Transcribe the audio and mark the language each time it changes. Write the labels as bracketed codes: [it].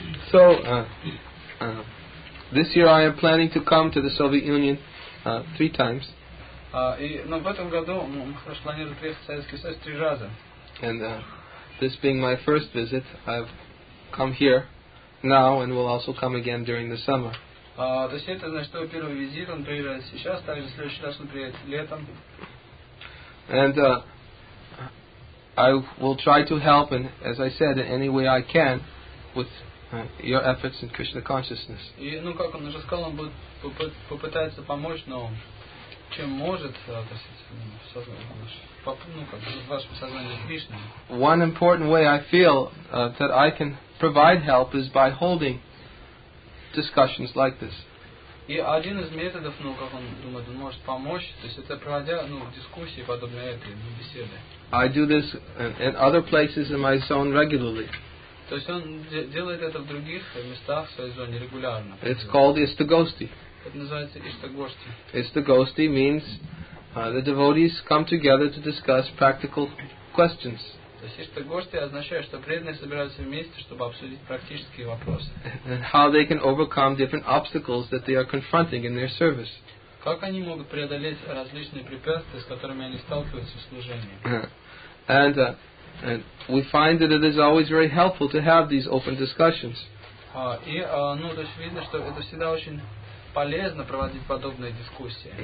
[en] So, this year I am planning to come to the Soviet Union three times. And this being my first visit, I've come here now and will also come again during the summer. [ru] То есть это значит, что первый визит, он приезжает сейчас, также в следующий раз он приедет летом. [en] And I will try to help, and as I said, in any way I can, with your efforts in Krishna consciousness. [ru] И, ну, как он уже сказал, он будет попытаться помочь, но чем может, то есть, ну, как бы, в вашем сознании Кришны. [en] One important way I feel that I can provide help is by holding discussions like this. [ru] И один из методов, ну, как он думает, он может помочь, то есть это проводя, ну, дискуссии подобные этой, ну, беседы. [en] I do this in other places in my zone regularly. [ru] То есть он делает это в других местах в своей зоне регулярно. [en] It's called Istogosti. [ru] Это называется Истогости. [en] Истогости means the devotees come together to discuss practical questions. [ru] То есть Истогости означает, что преданные собираются вместе, чтобы обсудить практические вопросы. [en] And how they can overcome different obstacles that they are confronting in their service. [ru] Как они могут преодолеть различные препятствия, с которыми они сталкиваются в служении? [en] And and we find that it is always very helpful to have these open discussions. [ru] Ну, то есть видно, что это всегда очень полезно проводить подобные дискуссии.